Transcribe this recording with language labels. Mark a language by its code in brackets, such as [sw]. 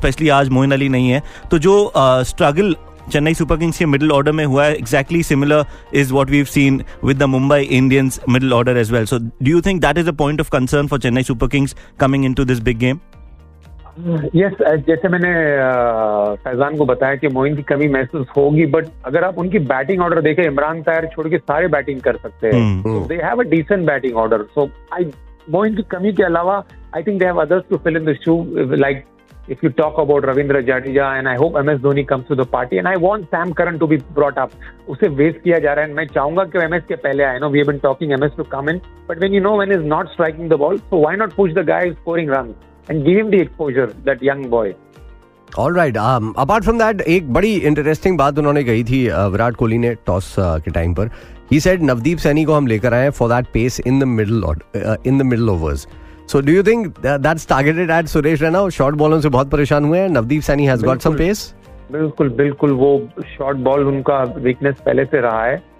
[hi] तो जो struggle Chennai super Kings के मिडिल ऑर्डर में हुआ है, [en] Exactly similar is what we have seen with the Mumbai Indians middle order as well. So do you think that is a point of concern for Chennai Super Kings coming into this big game? [hi] Yes, जैसे मैंने फैजान को बताया कि मोइन की कमी महसूस होगी, but अगर आप उनकी बैटिंग ऑर्डर देखें, इमरान ताहिर छोड़ के सारे बैटिंग कर सकते हैं. [en] they have a decent batting order, [hi] सो मोइन की कमी के अलावा [en] I think they have others to fill in the shoe. Like if you talk about Ravindra Jadeja, and I hope MS Dhoni comes to the party, and I want Sam Curran to be brought up. [hi] Use waste kiya ja raha hai, [en] and [hi] main chahunga ki MS ke pehle aaye. [en] I know we have been talking MS to come in, but when you know when he's not striking the ball, so why not push the guy who's scoring runs and give him the exposure, that young boy. All right. Apart from that, [hi] एक बड़ी interesting बात उन्होंने कही थी विराट कोहली ने toss के time पर. [en] He said [hi] Navdeep Saini को हम लेकर आए [en] for that pace in the middle overs. So do you think that's targeted at Suresh Raina? [hi] Short ballon से बहुत परेशान हुए हैं. [en] Navdeep Saini has got some pace. [hi] बिल्कुल बिल्कुल, वो short ball उनका weakness पहले से रहा है.